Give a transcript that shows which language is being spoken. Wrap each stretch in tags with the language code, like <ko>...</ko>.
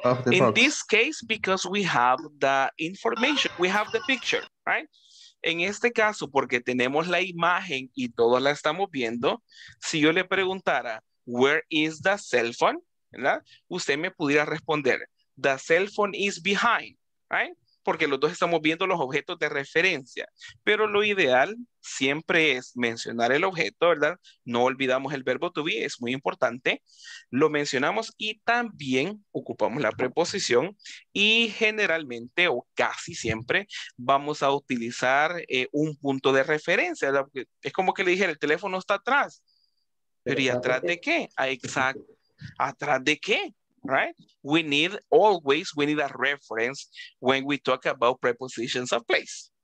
<en>In this case, because we have the information, we have the picture, right?</en> <es>En este caso, porque tenemos la imagen y todos la estamos viendo, si yo le preguntara,</es> <en>where is the cell phone?</en> <es>¿Verdad? Usted me pudiera responder,</es> <en>the cell phone is behind, right?</en> <es>Porque los dos estamos viendo los objetos de referencia. Pero lo ideal siempre es mencionar el objeto, ¿verdad? No olvidamos el verbo to be, es muy importante. Lo mencionamos y también ocupamos la preposición. Y generalmente, o casi siempre, vamos a utilizar un punto de referencia, ¿verdad? Porque es como que le dije, el teléfono está atrás. ¿Pero y atrás de qué? ¿Atrás de qué?</es> <en>Right? We need a reference when we talk about prepositions of place.</en>